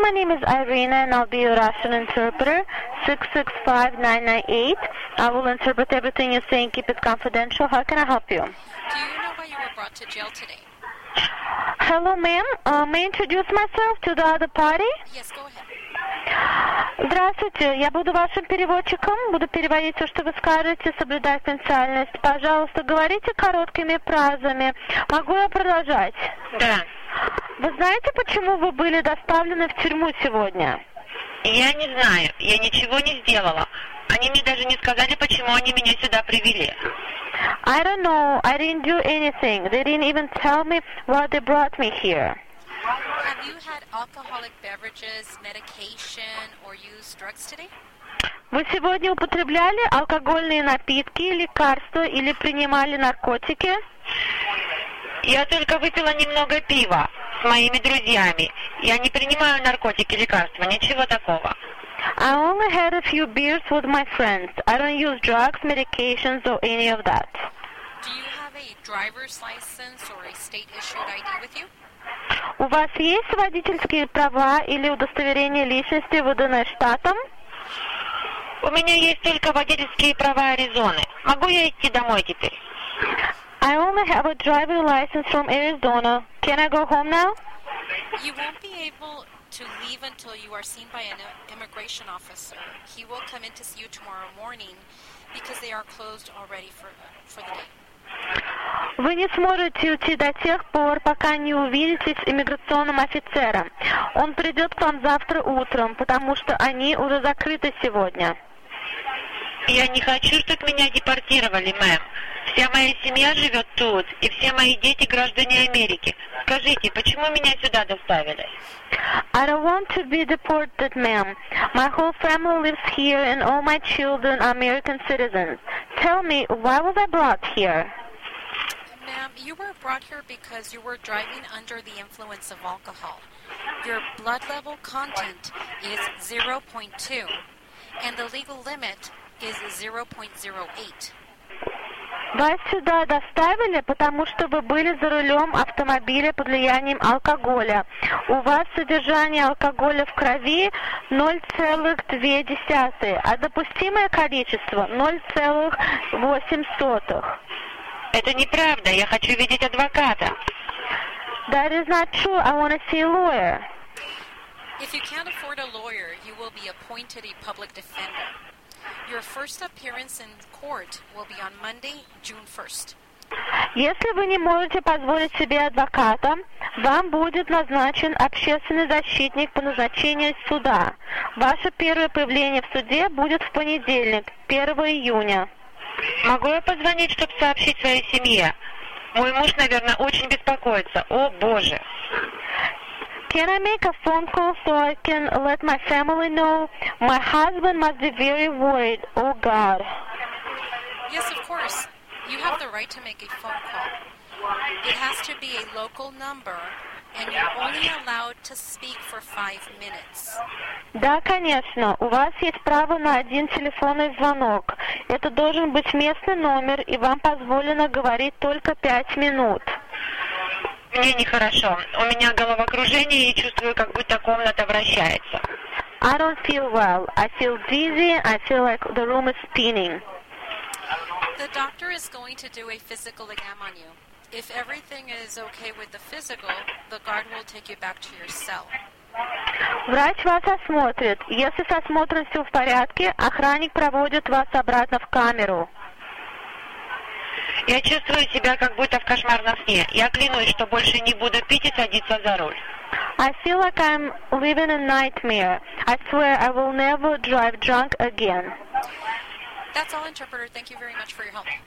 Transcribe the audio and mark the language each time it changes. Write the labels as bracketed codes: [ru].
[en] My name is Irina, and I'll be your Russian interpreter. 665-998. I will interpret everything you say and keep it confidential. How can I help you? Do you know why you were brought to jail today? Hello, ma'am. May I introduce myself to the other party? Yes, go ahead. [ru] Здравствуйте, я буду вашим переводчиком, буду переводить то, что вы скажете, соблюдая конфиденциальность. Пожалуйста, говорите короткими фразами. Могу я продолжать? Да. Вы знаете, почему вы были доставлены в тюрьму сегодня? Я не знаю, я ничего не сделала. Они мне даже не сказали, почему они меня сюда привели. [en] I don't know, I didn't do anything. They didn't even tell me why they brought me here. Have you had alcoholic beverages, medication, or used drugs today? [ru] Вы сегодня употребляли алкогольные напитки, лекарства или принимали наркотики? Я только выпила немного пива с моими друзьями. Я не принимаю наркотики, лекарства, ничего такого. [en] I only had a few beers with my friends. I don't use drugs, medications, or any of that. Do you have a driver's license or a state-issued ID with you? [ru] У вас есть водительские права или удостоверение личности, выданное штатом? У меня есть только водительские права Аризоны. Могу я идти домой теперь? [en] I only have a driver's license from Arizona. Can I go home now? You won't be able to leave until you are seen by an immigration officer. He will come in to see you tomorrow morning because they are closed already for the day. [ru] Вы не сможете уйти до тех пор, пока не увидитесь с иммиграционным офицером. Он придет к вам завтра утром, потому что они уже закрыты сегодня. Я не хочу, чтобы меня депортировали, мэм. Вся моя семья живет тут, и все мои дети граждане Америки. Скажите, почему меня сюда доставили? [en] I don't want to be deported, ma'am. My whole family lives here, and all my children are American citizens. Tell me, why was I brought here? Ma'am, you were brought here because you were driving under the influence of alcohol. Your blood level content is 0.2, and the legal limit is 0.08. [ru] Вас сюда доставили, потому что вы были за рулем автомобиля под влиянием алкоголя. У вас содержание алкоголя в крови 0,2, а допустимое количество 0,08. Это неправда. Я хочу видеть адвоката. [en] That is not true. I want to see a lawyer. If you can't afford a lawyer, you will be appointed a public defender. Your first appearance in court will be on Monday, June 1st. [ru] Если вы не можете позволить себе адвоката, вам будет назначен общественный защитник по назначению суда. Ваше первое появление в суде будет в понедельник, 1 июня. Могу я позвонить, чтобы сообщить своей семье? Мой муж, наверное, очень беспокоится. О, Боже! [en] Can I make a phone call so I can let my family know? My husband must be very worried. Oh, God! Yes, of course. You have the right to make a phone call. It has to be a local number, and you're only allowed to speak for 5 minutes. [ru] Да, конечно. У вас есть право на один телефонный звонок. Это должен быть местный номер, и вам позволено говорить только 5 минут. Мне нехорошо. У меня головокружение, и чувствую, как будто комната вращается. [en] I don't feel well. I feel dizzy. I feel like the room is spinning. The doctor is going to do a physical exam on you. If everything is okay with the physical, the guard will take you back to your cell. [ru] Врач вас осмотрит. Если с осмотром все в порядке, охранник проводит вас обратно в камеру. Я чувствую себя как будто в кошмарном сне. Я клянусь, что больше не буду пить и садиться за руль. [en] I feel like I'm living a nightmare. I swear I will never drive drunk again. That's all, interpreter. Thank you very much for your help.